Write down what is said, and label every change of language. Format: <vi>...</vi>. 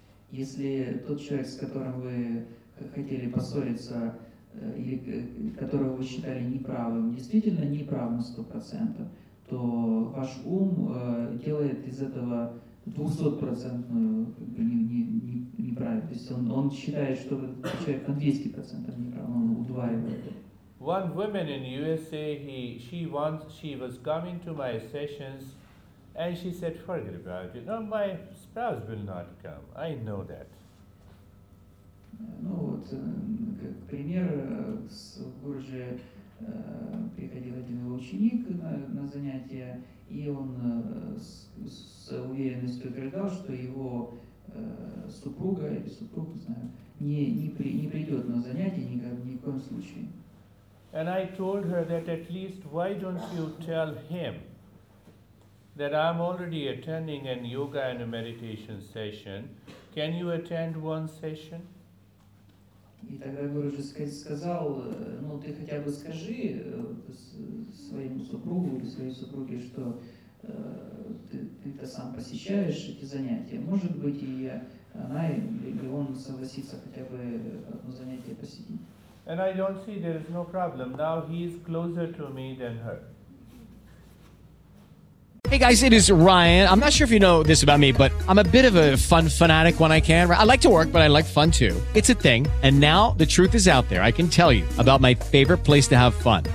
<ru>Если тот человек, с которым вы хотели поссориться, или которого вы считали неправым, действительно неправым 100%, то ваш ум делает из этого 200% неправильно. То есть он считает, что человек на 200% неправ, он удваивает это.</ru> <en>One woman in USA, she was coming to my sessions, and she said, "Forget about it. No, my spouse will not come. I know that."</en> <ru>Ну вот, как пример, с Гурджи приходил один ученик на занятия, и он с уверенностью утверждал, что его супруга или супруг, не знаю, не придет на занятия никак, ни в коем случае.</ru> <en>And I told her that at least why don't you tell him that I'm already attending a yoga and a meditation session. Can you attend one session?</en> <ru>И тогда Гуруджи сказал, ну ты хотя бы скажи своему супругу или своей супруге, что ты-то сам посещаешь эти занятия. Может быть, и она или он согласится хотя бы одно занятие посетить.</ru> <en>And I don't see there is no problem. Now he is closer to me than her. Hey guys, it is Ryan. I'm not sure if you know this about me, but I'm a bit of a fun fanatic when I can. I like to work, but I like fun too. It's a thing. And now the truth is out there. I can tell you about my favorite place to have fun.</en>